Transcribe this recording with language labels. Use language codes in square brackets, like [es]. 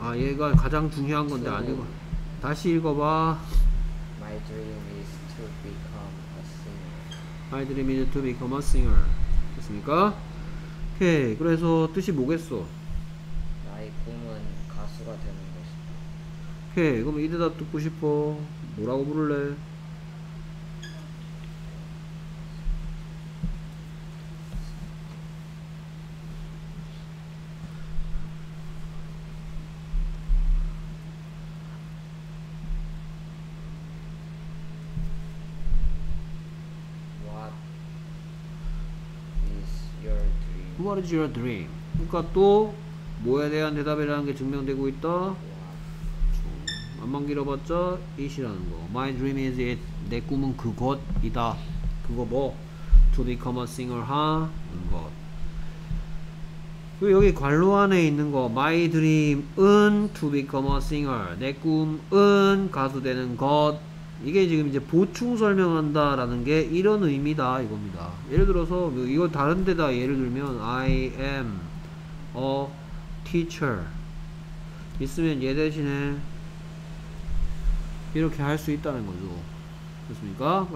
[ko] 아, 얘가 가장 중요한 건데 아니고 다시 읽어봐. [en] My dream is to become a singer. My dream is to become a singer. [ko] 됐습니까? 오케이. 그래서 뜻이 뭐겠어? 나의 꿈은 가수가 되는. 오케이. 그럼 이 대답 듣고 싶어. 뭐라고 부를래? [en] What is your dream? What is your dream? [ko] 그러니까 또 뭐에 대한 대답이라는 게 증명되고 있다. 한번 길어봤자 it이라는 거. [en] My dream is it. [ko] 내 꿈은 그것이다. 그거 뭐? [en] To become a singer, huh? [ko] 그것. 그리고 여기 관로 안에 있는 거. [en] My dream은 to become a singer. [ko] 내 꿈은 가수 되는 것. 이게 지금 이제 보충 설명한다라는 게 이런 의미다 이겁니다. 예를 들어서 이거 다른 데다 예를 들면 [en] I am a teacher [ko] 있으면 얘 대신에 이렇게 할 수 있다는 거죠. 그렇습니까?